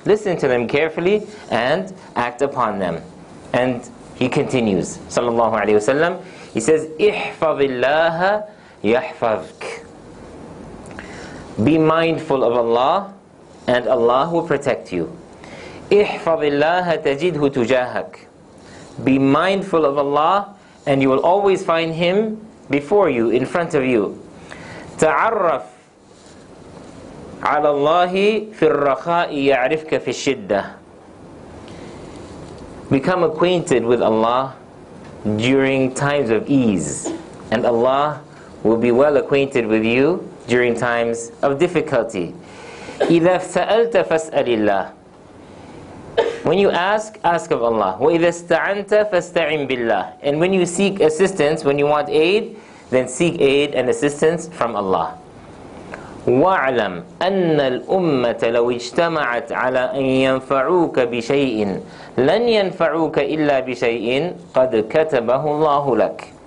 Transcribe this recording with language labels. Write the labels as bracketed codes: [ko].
[en] Listen to them carefully and act upon them. And he continues, sallallahu alayhi wa sallam, he says, [ar] ihfazillaha yahfazk. [en] Be mindful of Allah and Allah will protect you. [ar] Ihfazillaha tajidhu tujahak. [en] Be mindful of Allah and you will always find him before you, in front of you. [ar] تعرف على الله في الرخاء يعرفك في الشدة. [en] Become acquainted with Allah during times of ease, and Allah will be well acquainted with you during times of difficulty. [ar] إذا سألت فاسأل الله. [en] When you ask, ask of Allah. [ar] وإذا استعنت فاستعن بالله. [en] And when you seek assistance, when you want aid, then seek aid and assistance from Allah. [ar] وَعْلَمْ أَنَّ الْأُمَّةَ لَوْ اجْتَمَعَتْ عَلَىٰ أَنْ يَنْفَعُوكَ بِشَيْءٍ لَنْ يَنْفَعُوكَ إِلَّا بِشَيْءٍ قَدْ كَتَبَهُ اللَّهُ لَكَ.